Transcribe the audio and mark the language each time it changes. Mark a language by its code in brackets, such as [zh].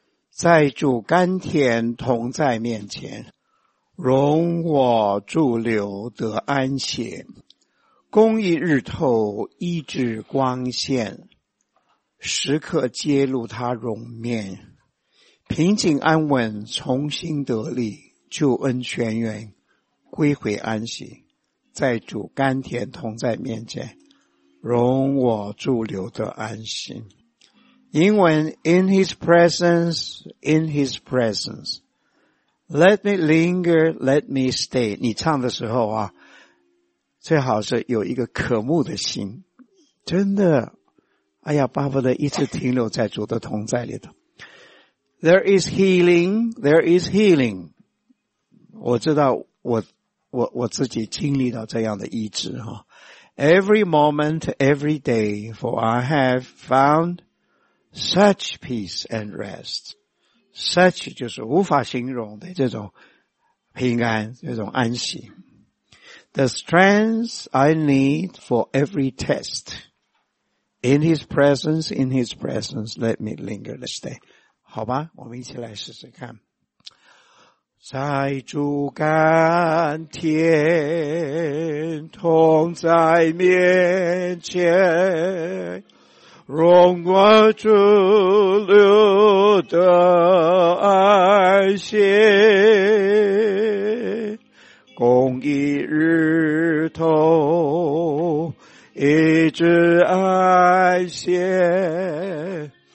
[zh] 在主甘甜同在面前，容我驻留得安歇，公义日头医治光线，时刻揭露他容面，平静安稳重新得力，救恩泉源归回安息，在主甘甜同在面前，容我驻留得安息。英文 [en] In his presence, in his presence, let me linger, let me stay. [zh] 你唱的时候啊，最好是有一个渴慕的心，真的，哎呀，巴不得一直停留在主的同在里头。 [en] There is healing, there is healing. [zh] 我知道我自己经历到这样的医治哈。 [en] Every moment, every day, for I have found such peace and rest. Such [zh] 就是无法形容的这种平安，这种安息。 [en] The strength I need for every test. In his presence, let me linger, let's stay. [zh] 好吧，我们一起来试试看。在主甘甜同在面前，容我驻留得安歇，公义日头一直安歇，